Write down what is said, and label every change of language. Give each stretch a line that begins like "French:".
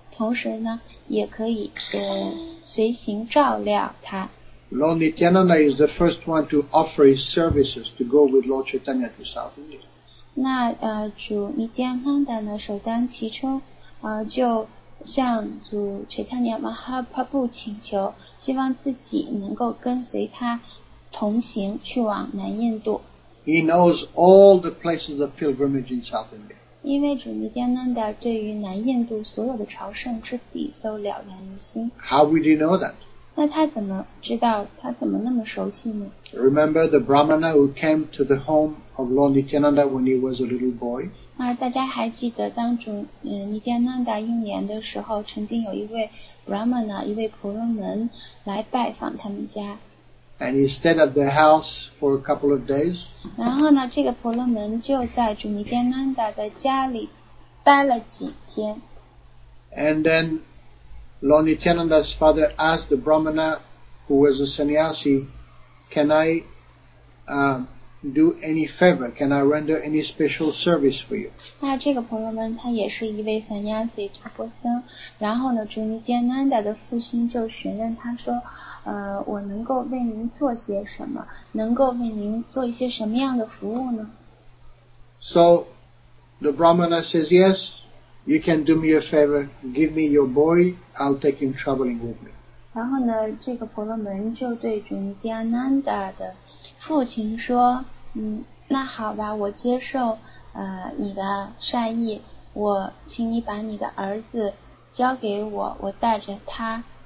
Chinese: 同时呢，也可以随行照料他。
English: Lord Nityananda is the first one to offer his services to go with Lord Chaitanya to South India.
Chinese: 那主 Nityananda 呢，首当其冲，就向主 Chaitanya Mahaprabhu 请求，希望自己能够跟随他同行去往南印度。
English: He knows all the places of pilgrimage in South India.
Chinese: 因为主尼迦南达对于南印度所有的朝圣之地都了然于心。
English: How would you know that?
Chinese: 那他怎么知道？他怎么那么熟悉呢？
English: Remember the Brahmana who came to the home of Lord Nityananda when he was a little boy?
Chinese: 大家还记得当主尼迦南达幼年的时候，曾经有一位 Brahmana， 一位婆罗门来拜访他们家。
English: And he stayed at the house for a couple of days.
Chinese: 然后呢，这个婆罗门就在主尼迦南达的家里待了几天。
English: And then Lord Nityananda's father asked the Brahmana, who was a sannyasi, "Can I do any favor? Can I render any special service for you?"
Chinese: 那这个婆罗门他也是一位 sannyasi 陀钵僧。然后呢，主尼迦南达的父亲就询问他说。我能够为您做些什么？能够为您做一些什么样的服务呢？
English: So the Brahmana says, "Yes, you can do me a favor. Give me your boy. I'll take him traveling with me."
Chinese: 然后呢，这个婆罗门就对主尼迦南达的父亲说，那好吧，我接受你的善意，我请你把你的儿子交给我，我带着他